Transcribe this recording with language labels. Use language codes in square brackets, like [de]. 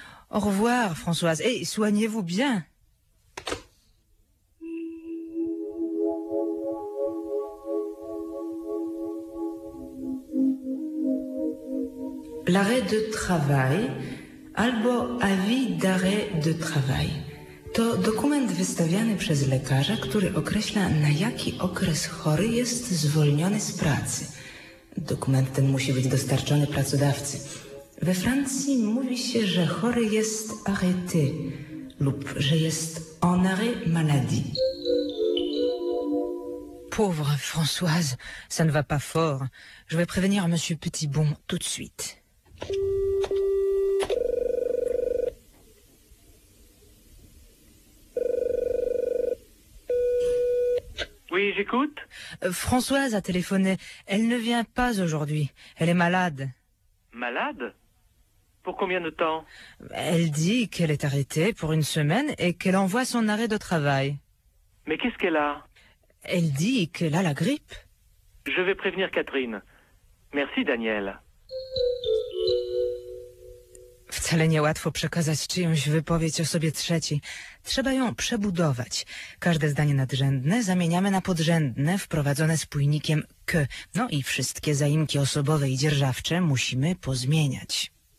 [fr] Au revoir, Françoise. Et soignez-vous bien. L'arrêt de travail... Albo avis d'arrêt de travail. [pl] To dokument wystawiany przez lekarza, który określa, na jaki okres chory jest zwolniony z pracy. Dokument ten musi być dostarczony pracodawcy. We Francji mówi się, że chory jest arrêté lub że jest en arrêt maladie. [fr] Pauvre Françoise, ça ne va pas fort. Je vais prévenir Monsieur Petitbon tout de suite. Oui, j'écoute. Françoise a téléphoné. Elle ne vient pas aujourd'hui. Elle est malade. Malade? Pour combien de temps? Elle dit qu'elle est arrêtée pour une semaine et qu'elle envoie son arrêt de travail. Mais qu'est-ce qu'elle a? Elle dit qu'elle a la grippe. Je vais prévenir Catherine. Merci, Daniel. [pl] Wcale niełatwo przekazać czyjąś wypowiedź osobie trzeciej. Trzeba ją przebudować. Każde zdanie nadrzędne zamieniamy na podrzędne, wprowadzone spójnikiem que. No i wszystkie zaimki osobowe i dzierżawcze musimy pozmieniać.